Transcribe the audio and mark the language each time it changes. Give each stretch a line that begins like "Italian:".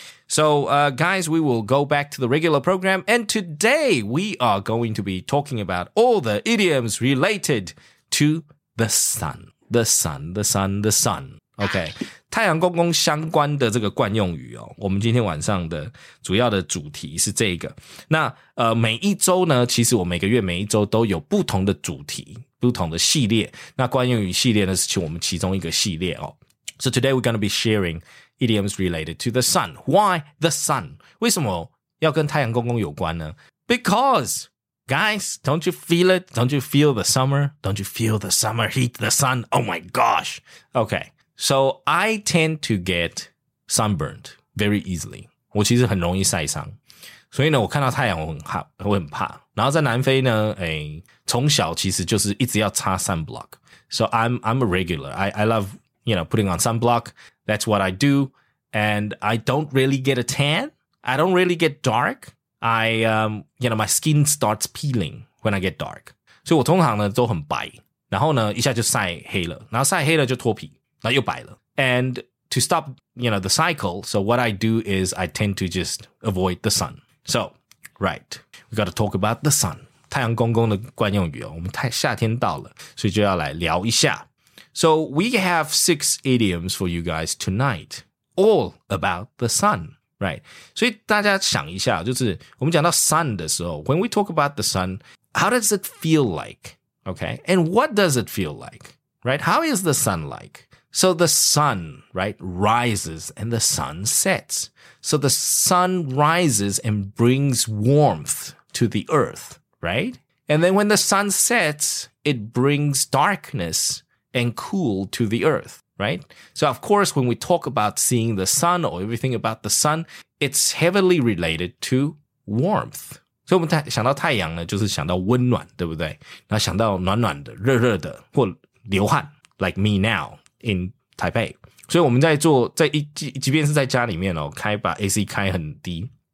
English: So, guys, we will go back to the regular program. And today, we are going to be talking about all the idioms related to the sun. The sun, the sun, the sun. Okay.
Chinese: 太陽公公相關的這個慣用語哦，我們今天晚上的主要的主題是這個。那每一周呢，其實我每個月每一周都有不同的主題，不同的系列。那慣用語系列呢，是其我們其中一個系列哦。
English: So today we're going to be sharing idioms related to the sun. Why the sun?
Chinese: 為什麼要跟太陽公公有關呢？
English: Because, guys, don't you feel it? Don't you feel the summer? Don't you feel the summer heat, the sun? Oh my gosh! Okay. So, I tend to get sunburned very easily.
Chinese: 我其实很容易晒伤。所以呢我看到太阳我很怕。然后在南非呢从小其实就是一直要擦 sunblock.
English: So, I'm a regular. I love, you know, putting on sunblock. That's what I do. And I don't really get a tan. I don't really get dark. My skin starts peeling when I get dark.
Chinese: 所以我通常呢都很白。然后呢一下就晒黑了。然后晒黑了就脱皮。那又白了。
English: And to stop, you know, the cycle, so what I do is I tend to just avoid the sun. So, right, we got to talk about the sun.
Chinese: 太阳公公的惯用语哦，我们太夏天到了，所以就要来聊一下。
English: So we have 6 idioms for you guys tonight, all about the sun, right?
Chinese: 所以大家想一下，就是我们讲到 sun 的时候
English: ，when we talk about the sun, how does it feel like? Okay, and what does it feel like? Right? How is the sun like? So the sun, right, rises and the sun sets. So the sun rises and brings warmth to the earth, right? And then when the sun sets, it brings darkness and cool to the earth, right? So of course, when we talk about seeing the sun or everything about the sun, it's heavily related to warmth.
Chinese: 所以我们想到太阳呢，就是想到温暖，对不对？然后想到暖暖的，热热的，或流汗
English: like me now. In Taipei.
Chinese: 所以我们在做在一即便是在家里面哦开把 AC 开很低。